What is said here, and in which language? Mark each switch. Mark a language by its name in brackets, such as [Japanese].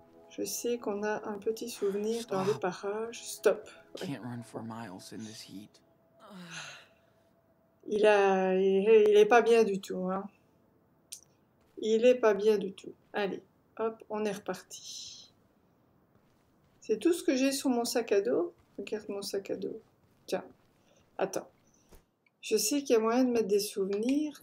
[French] Je sais qu'on a un petit souvenir dans les Stop. parages. Stop. Ouais. [English] Can't run for miles in this heat. [French] Il est pas bien du tout, hein. Il est pas bien du tout. Allez, hop, on est reparti. C'est tout ce que j'ai sur mon sac à dos? Regarde mon sac à dos. Tiens, attends. Je sais qu'il y a moyen de mettre des souvenirs.